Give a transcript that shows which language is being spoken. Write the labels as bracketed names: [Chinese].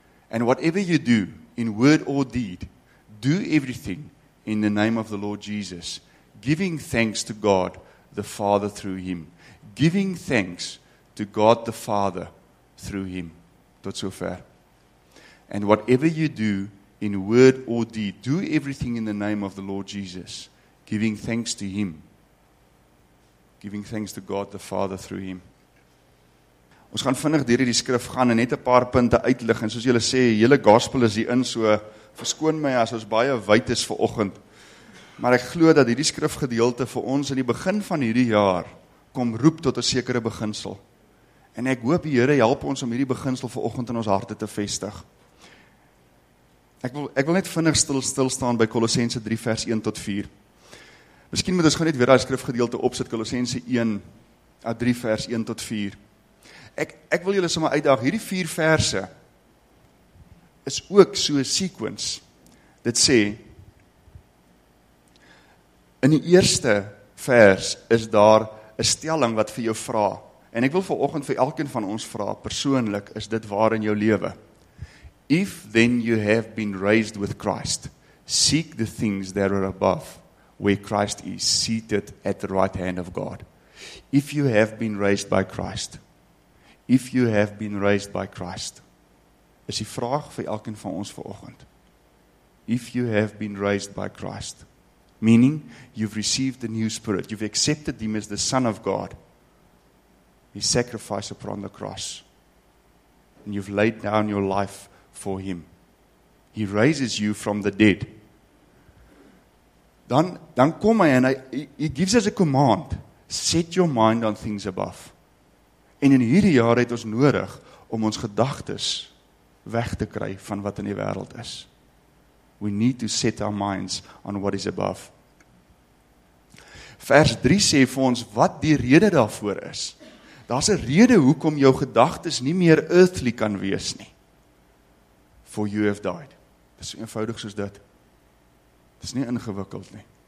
[English] And whatever you do, in word or deed, do everything in the name of the Lord Jesus, giving thanks to God the Father through him. Giving thanks to God the Father through him. [Afrikaans] tot sover. [English] And whatever you do in word or deed, do everything in the name of the Lord Jesus, giving thanks to Him. Giving thanks to God the Father through Him. [Afrikaans] Ons gaan vinnig deur die skrif gaan en net 'n paar punte uitlig. En soos julle sê, hele gospel is hier in, so verskoon my as ons baie wyd is vanoggend. Maar ek glo dat hierdie skrifgedeelte vir ons in die begin van hierdie jaar kom roep tot 'n sekere beginsel. En ek hoop die Here help ons om hierdie beginsel vanoggend in ons harte te vestig. Ek wil net vinnig stil staan by Kolossense 3 vers 1 tot 4. Miskien moet ons gou net weer daai skrifgedeelte opsit, Kolossense 1 at 3 vers 1 tot 4. Ek wil julle sommer uitdaag, hierdie 4 verse is ook so 'n sequence. Dit sê in die eerste vers is daar 'n stelling wat vir jou vra. En ek wil vanoggend vir elkeen van ons vra, persoonlik, is dit waar in jou lewe? [English] If then you have been raised with Christ, seek the things that are above, where Christ is seated at the right hand of God. If you have been raised by Christ, if you have been raised by Christ, [Afrikaans] is die vraag vir elkeen van ons vanoggend. [English] If you have been raised by Christ, meaning you've received the new spirit, you've accepted Him as the Son of God, His sacrifice upon the cross. And you've laid down your life for Him. He raises you from the dead. [Afrikaans] Dan kom hy en hy [English] gives us a command. Set your mind on things above. [Afrikaans] En in hierdie jaar het ons nodig om ons gedagtes weg te kry van wat in die wêreld is. [English] We need to set our minds on what is above. [Afrikaans] Vers 3 sê vir ons wat die rede daarvoor is. Daar's 'n rede hoekom jou gedagtes nie meer earthly kan wees nie. [English] For you have died. [Afrikaans] Dit is so eenvoudig soos dit. Dit is nie ingewikkeld nie.